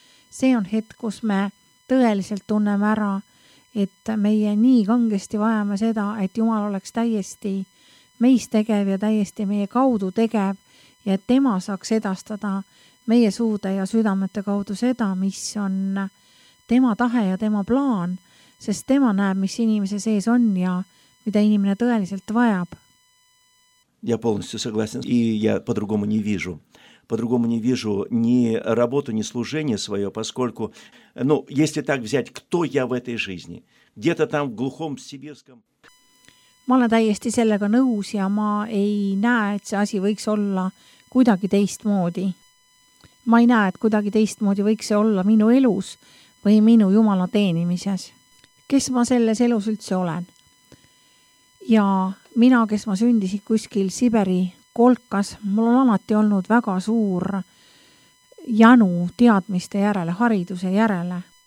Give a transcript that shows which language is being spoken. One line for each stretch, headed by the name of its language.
Estonian: see on hetk, kus me tõeliselt tunneme ära, et meie nii kangesti vajame seda, et Jumal oleks täiesti meist tegev ja täiesti meie kaudu tegev ja et tema saaks edastada meie suude ja südamete kaudu seda, mis on tema tahe ja tema plaan, sest tema näeb, mis inimese sees on ja mida inimene tõeliselt vajab.
Russian: Я полностью согласен, и я по-другому не вижу. По-другому не вижу ни работу, ни служение свое, поскольку, ну, если так взять, кто я в этой жизни? Где-то там в глухом сибирском.
Estonian: Ma olen täiesti sellega nõus ja ma ei näe, et see asi võiks olla kuidagi teistmoodi. Ma ei näe, et kuidagi teistmoodi võiks see olla minu elus või minu Jumala teenimises. Kes ma selles elus üldse olen? Ja mina, kes ma sündisin kuskil Siberi kolkas, mul on alati olnud väga suur janu teadmiste järele, hariduse järele.